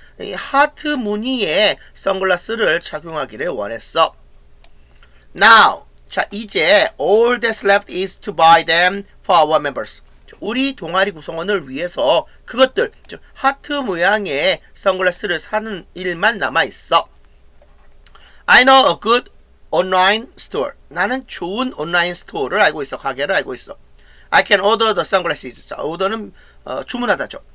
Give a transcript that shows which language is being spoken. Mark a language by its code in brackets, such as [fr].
[ko] 이 하트 무늬의 선글라스를 착용하기를 원했어. [en] Now, [ko] 자, 이제 [en] all that's left is to buy them for our members. [ko] 우리 동아리 구성원을 위해서 그것들, 즉 하트 모양의 선글라스를 사는 일만 남아있어. [en] I know a good online store. [ko] 나는 좋은 온라인 스토어를 알고 있어. 가게를 알고 있어. [en] I can order the sunglasses. [ko] 자, order는 주문하다죠.